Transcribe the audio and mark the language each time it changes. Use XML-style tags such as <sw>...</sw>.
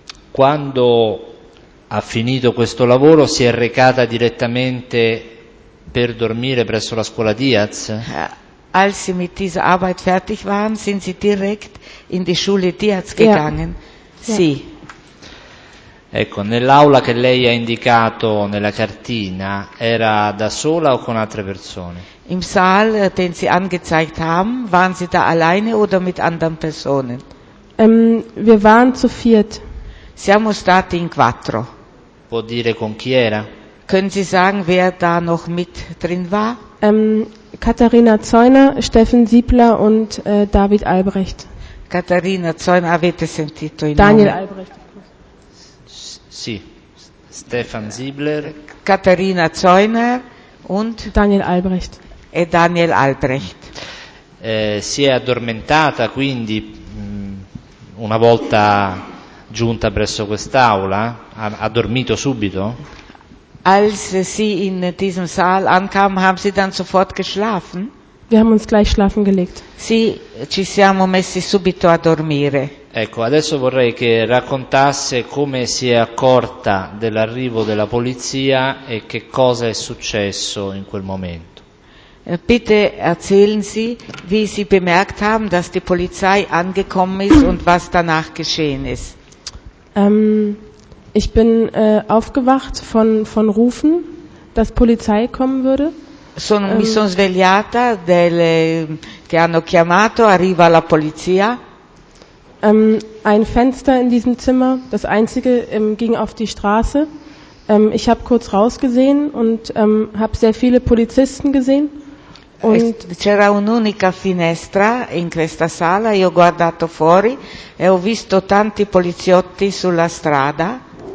<it>Quando ha finito questo lavoro si è recata direttamente per dormire presso la scuola Diaz?</it> <de>Als sie mit dieser Arbeit fertig waren, sind sie direkt in die Schule Diaz gegangen. Ja. Sì.</de> <it>Ecco, nell'aula che lei ha indicato nella cartina, era da sola o con altre persone?</it> <de>Im Saal, den Sie angezeigt haben, waren Sie da alleine oder mit anderen Personen? Wir waren zu viert.</de> <it>Siamo stati in quattro. Può dire con chi era?</it> <de>Können Sie sagen, wer da noch mit drin war? Katharina Zeuner, Steffen Siebler und David Albrecht.</de> <it>Katharina Zeuner, avete sentito il Daniel nome? Albrecht. Sì, Stefan Siebler,</it> <de>Katharina Zeuner und Daniel Albrecht.</de> <it>E Daniel Albrecht. Si è addormentata quindi una volta giunta presso quest'aula? Ha dormito subito?</it> <de>Als sie in diesem Saal ankam, haben sie dann sofort geschlafen? Wir haben uns gleich schlafen gelegt.</de> <it>Sì, ci siamo messi subito a dormire. Ecco, adesso vorrei che raccontasse come si è accorta dell'arrivo della polizia e che cosa è successo in quel momento.</it> <de>Bitte erzählen Sie, wie Sie bemerkt haben, dass die Polizei angekommen ist und was danach geschehen ist. Ich bin aufgewacht von Rufen, dass Polizei kommen würde.</de> <it>Mi sono svegliata delle che hanno chiamato, arriva la polizia.</it> <de>Ein Fenster in diesem Zimmer, das einzige, ging auf die Straße. Ich habe kurz rausgesehen und habe sehr viele Polizisten gesehen. Und</de> <it>c'era un'unica finestra in questa sala, io ho guardato fuori e ho visto tanti poliziotti sulla strada.</it>